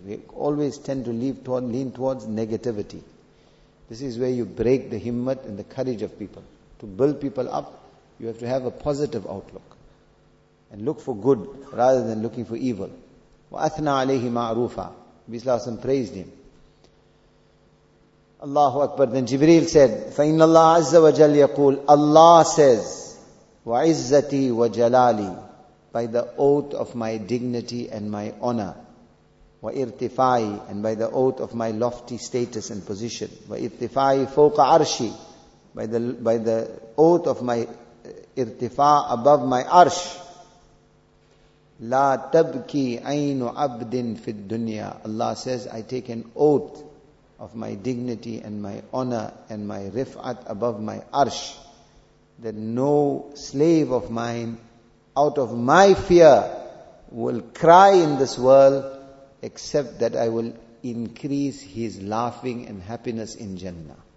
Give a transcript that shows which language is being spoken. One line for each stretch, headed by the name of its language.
English: We always tend to lean towards negativity. This is where you break the himmat and the courage of people. To build people up, you have to have a positive outlook. And look for good rather than looking for evil.
Arabic: Wa athna alayhi ma'rufa.
English: Nabi sallallahu alayhi wa sallam praised him. Allahu Akbar. Then Jibreel said,
Arabic: فَإِنَّ اللَّهَ عَزَّ وَجَلْ يَقُولُ.
English: Allah says,
Arabic: وَعِزَّتِي وَجَلَالِي.
English: By the oath of my dignity and my honor.
Arabic: وَإِرْتِفَاي.
English: And by the oath of my lofty status and position.
Arabic: وَإِرْتِفَاي فَوْقَ عَرْشِي.
English: By the oath of my irtifa above my arsh.
Arabic: لا تبكي عين عبد في الدنيا.
English: Allah says, I take an oath of my dignity and my honor and my rif'at above my arsh, that no slave of mine out of my fear will cry in this world except that I will increase his laughing and happiness in Jannah.